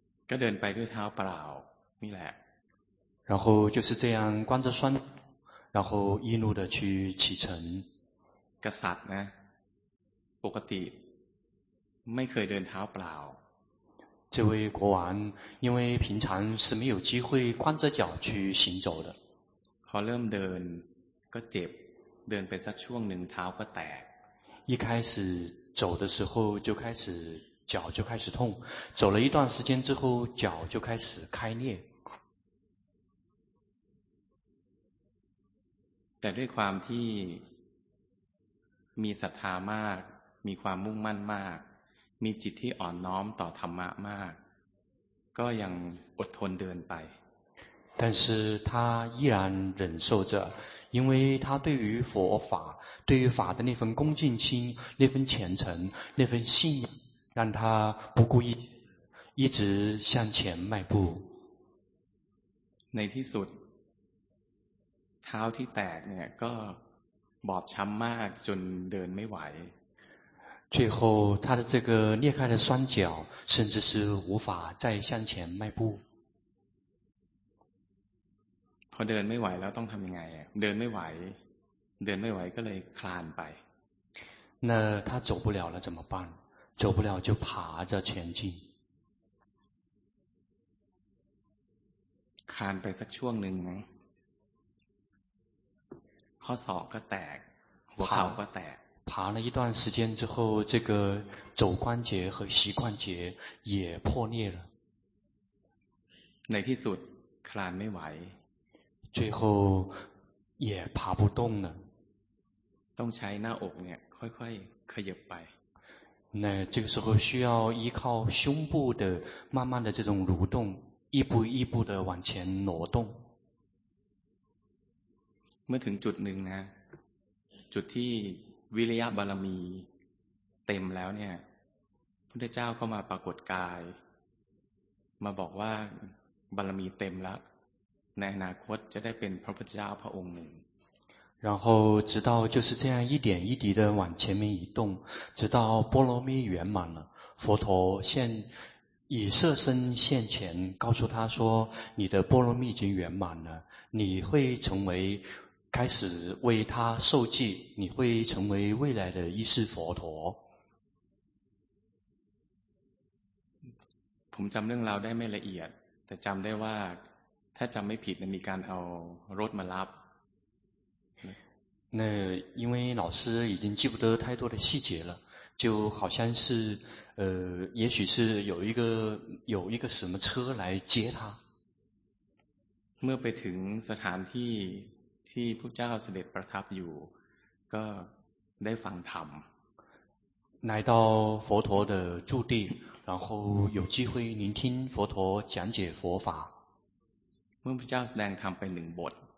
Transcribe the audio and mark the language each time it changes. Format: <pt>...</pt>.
<th>ก็เดินไปด้วยเท้าเปล่านี่แหละ</th> <zh>然后就是这样光着双然后一路的去启程</zh> <th>กษัตริย์นะปกติไม่เคยเดินเท้าเปล่า</th> <zh>这位国王因为平常是没有机会光着脚去行走的</zh> <th>พอเริ่มเดินก็เจ็บเดินไปสักช่วงหนึ่งเท้าก็แตก</th> <zh>一开始走的时候就开始脚就开始痛走了一段时间之后脚就开始开裂</zh> <th>แต่ด้วยความที่มีศรัทธามากมีความมุ่งมั่นมากมีจิตที่อ่อนน้อมต่อธรรมะมากก็ยังอดทนเดินไป</th> <zh>但是他依然忍受着因为他对于佛法对于法的那份恭敬心那份虔诚那份信仰让他不顾一直向前迈步</zh> <th>ในที่สุดเท้าที่แตกเนี่ยก็บอบช้ำมากจนเดินไม่ไหว</th> <zh>最后他的这个裂开的双脚甚至是无法再向前迈步</zh> <th>พอเดินไม่ไหวแล้วต้องทำยังไงเดินไม่ไหวเดินไม่ไหวก็เลยคลานไป</th> <zh>那他走不了了怎么办走不了就爬着前进</zh> <th>คลานไปสักช่วงหนึ่งข้อศอกก็แตกหัวเข่าก็แตก</th> <zh>爬了一段时间之后这个肘关节和膝关节也破裂了</zh> <th>ในที่สุดคลานไม่ไหว</th> <zh>最后也爬不动了</zh> <th>ต้องใช้หน้าอกเนี่ยค่อยๆขยับไป</th> <zh>那这个时候需要依靠胸部的慢慢的这种蠕动一步一步的往前挪动</zh> <th>เมื่อถึงจุดหนึ่งนะจุดที่วิริยะบารมีเต็มแล้วเนี่ยพระพุทธเจ้าก็มาปรากฏกายมาบอกว่าบารมีเต็มแล้วในอนาคตจะได้เป็นพระพุทธเจ้าพระองค์หนึ่ง</th> <zh>然后直到就是这样一点一滴的往前面移动直到波罗蜜圆满了佛陀现以色身现前告诉他说你的波罗蜜已经圆满了你会成为开始为他受记你会成为未来的一世佛陀</zh> <th>ผมจำเรื่องราวได้ไม่ละเอียดแต่จำได้ว่าถ้าจำไม่ผิดมีการเอารถมารับ</th> <zh>那因为老师已经记不得太多的细节了就好像是也许是有一个什么车来接他</zh> <th>เมื่อไปถึงสถานที่ที่พระเจ้าเสด็จประทับอยู่ก็ได้ฟังธรรม</th> <zh>来到佛陀的住地然后有机会聆听佛陀讲解佛法</zh> <th>เมื่อพระเจ้าแสดงธรรมไปหนึ่งบท</th>